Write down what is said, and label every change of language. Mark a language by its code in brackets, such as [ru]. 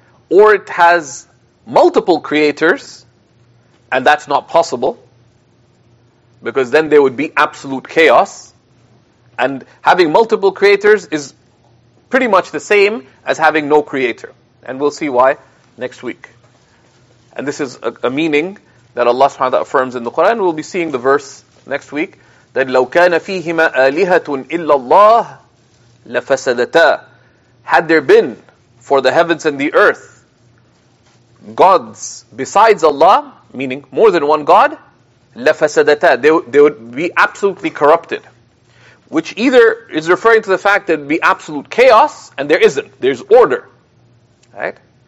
[en] Or it has multiple creators, and that's not possible, because then there would be absolute chaos. And having multiple creators is pretty much the same as having no creator. And we'll see why next week. And this is a meaning that Allah subhanahu wa ta'ala affirms in the Quran. We'll be seeing the verse next week. That [ar] لَوْ كَانَ فِيهِمَا آلِهَةٌ إِلَّا اللَّهِ لَفَسَدَتَا. [en] Had there been for the heavens and the earth gods besides Allah, meaning more than one God, [ar] لَفَسَدَتَا, [en] they would be absolutely corrupted. Which either is referring to the fact that it'd be absolute chaos, and there isn't. There's order. Right?